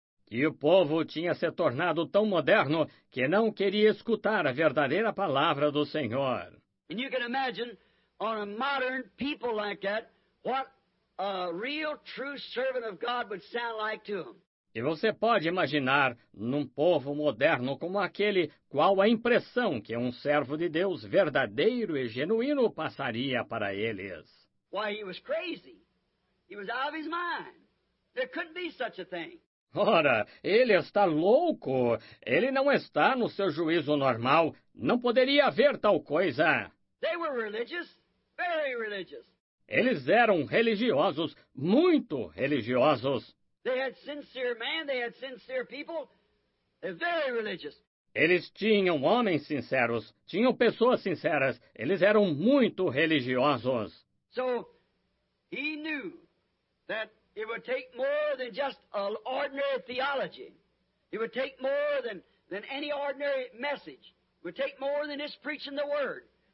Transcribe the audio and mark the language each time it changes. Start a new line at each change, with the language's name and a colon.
Portuguese: E o povo tinha se tornado tão moderno que não queria escutar a verdadeira palavra do Senhor. E você pode imaginar...
English: On a modern people like that, what a real true servant of God would sound like to them.
Portuguese: E você pode imaginar, num povo moderno como aquele, qual a impressão que um servo de Deus verdadeiro e genuíno passaria para eles.
English: Why, he was crazy. He was out of his mind. There couldn't be such a thing.
Portuguese: Ora, ele está louco. Ele não está no seu juízo normal. Não poderia haver tal coisa.
English: They were religious. Very religious.
Portuguese: Eles eram religiosos, muito religiosos.
English: They had sincere men, they had sincere people. They're very religious.
Portuguese: Eles tinham homens sinceros, tinham pessoas sinceras. Eles eram muito religiosos.
English: So, he knew that it would take more than just an ordinary theology. It would take more than any ordinary message. It would take more than just preaching the word.